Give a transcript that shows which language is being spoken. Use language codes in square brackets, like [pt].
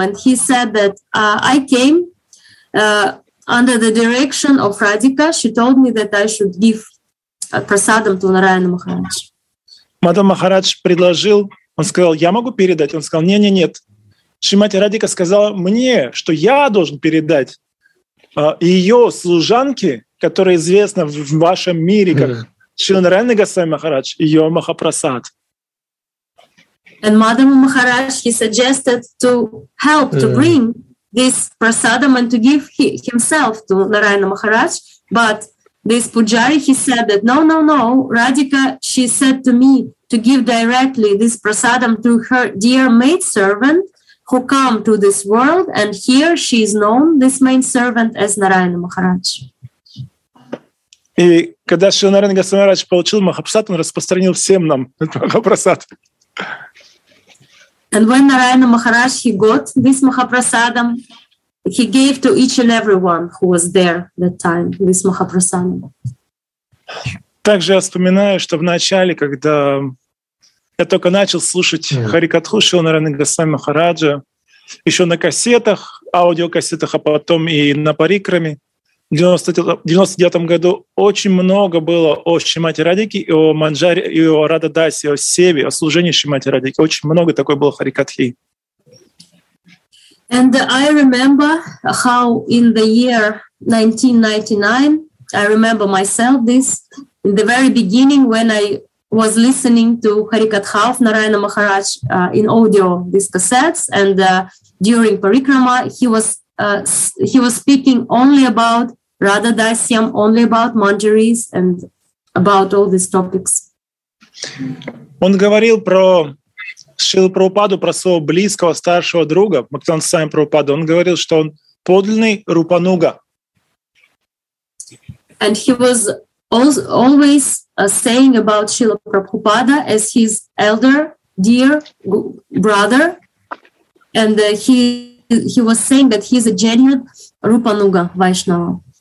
[en] And he said that I came under the direction of Radhika, she told me that I should give prasadam to Narayana Maharaj. [ru] Мадхава Махарадж предложил, он сказал, я могу передать? Он сказал, нет. Шримати Радика сказала мне, что я должен передать ее служанке, которая известна в вашем мире как Шрила Нараяна Госвами Махарадж, ее Махапрасад. [en] And Mother Maharaj, he suggested to help to bring this prasadam and to give himself to Narayana Maharaj. But this Pujari, he said that, no, Radhika, she said to me, to give directly this prasadam to her dear maidservant who come to this world, and here she is known, this maidservant, as Narayana Maharaj. [ru] И когда Шрила Нараяна Госвами Махарадж получил Махапрасад, он распространил всем нам этот Махапрасад. [en] And when Narayana Maharaj, he got this Махапрасадам, he gave to each and everyone who was there that time, this Махапрасад. [ru] Также я вспоминаю, что в начале, когда я только начал слушать Харикатху Шрила Нараяна Госвами Махараджа, еще на кассетах, аудиокассетах, а потом и на парикраме, в 99-м году очень много было о Шримати Радике, о Манджаре, и о Рададасе, о Севе, о служении Шримати Радике. Очень много такой было Харикатхи. [en] And I remember how in the year 1999, I remember myself this, in the very beginning when I was listening to Харикатха of Нараяна Махарадж in audio, these cassettes, and during Parikrama, he was speaking only about Radha Dasyam, only about Manjaris and about all these topics. [ru] Он говорил про Шрилу Прабхупаду, про своего близкого старшего друга, Бхактивинода Свами Прабхупаду. Он говорил, что он подлинный Рупануга. [en] And he was always saying about Шрила Прабхупада as his elder, dear brother, and he was saying that he's a genuine Рупануга, Вайшнава.